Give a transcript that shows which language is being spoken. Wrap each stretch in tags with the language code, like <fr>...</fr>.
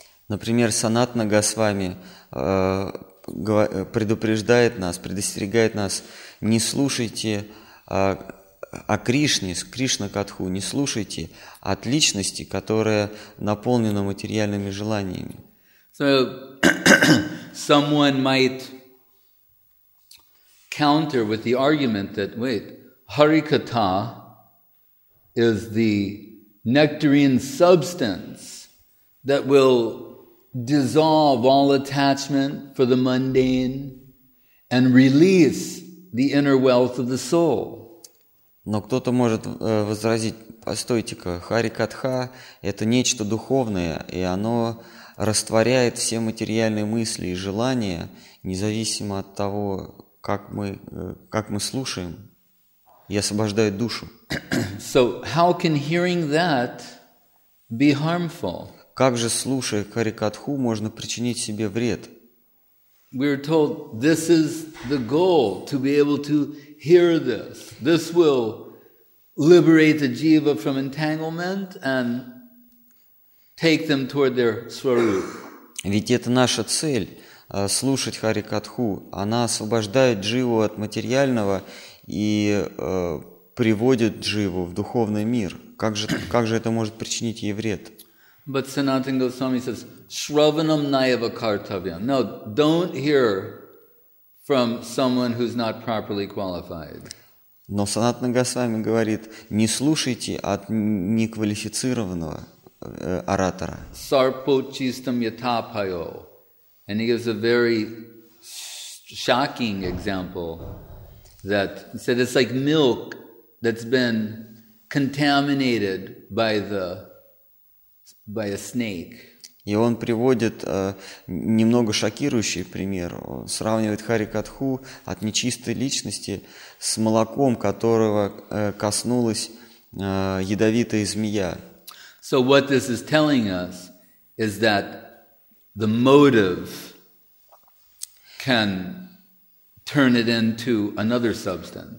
<ru>Например, Санатана Госвами предупреждает нас, предостерегает нас, не слушайте о Кришне, Кришна-катху, не слушайте от личности, которая наполнена материальными желаниями.</ru> <en>So someone might counter with the argument that, wait, Harikatha is the nectarine substance that will dissolve all attachment for the mundane and release the inner wealth of the soul.</en> <ru>Но кто-то может возразить, постойте-ка, Харикатха – это нечто духовное, и оно растворяет все материальные мысли и желания, независимо от того, как мы слушаем, и освобождает душу.</ru> <en>So how can hearing that be harmful?</en> <ru>Как же, слушая Харикатху, можно причинить себе вред?</ru> <en>We are told this is the goal, to be able to hear this. This will liberate the jiva from entanglement and take them toward their swarup.</en> <ru>Ведь это наша цель, слушать Харикатху. Она освобождает дживу от материального и приводит дживу в духовный мир. Как же это может причинить ей вред?</ru> <en>But Sanatan Goswami says,</en> <sa>Shravanam Nayava Kartavyam.</sa> <en>No, don't hear from someone who's not properly qualified.</en> <ru>Но Санатана Госвами говорит, не слушайте от неквалифицированного оратора.</ru> <sa>Sarpo chistam yatapayo.</sa> <en>And he gives a very shocking example that said it's like milk that's been contaminated by the by a snake.</en> <ru>И он приводит немного шокирующий пример. Он сравнивает Харикатху от нечистой личности с молоком, которого коснулась ядовитая змея.</ru> <en>So what this is telling us is that the motive can turn it into another substance.</en>